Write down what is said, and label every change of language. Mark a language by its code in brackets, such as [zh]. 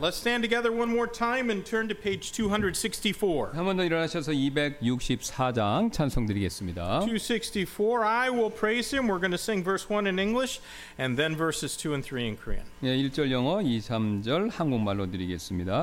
[en] Let's stand together one more time and turn to page 264. [ko] 한 번 더 일어나셔서 264장 찬송드리겠습니다. [en] 264, I will praise him. We're going to sing verse 1 in English and then verses 2 and 3 in Korean. [ko] 예, 1절 영어, 2, 3절 한국말로 드리겠습니다.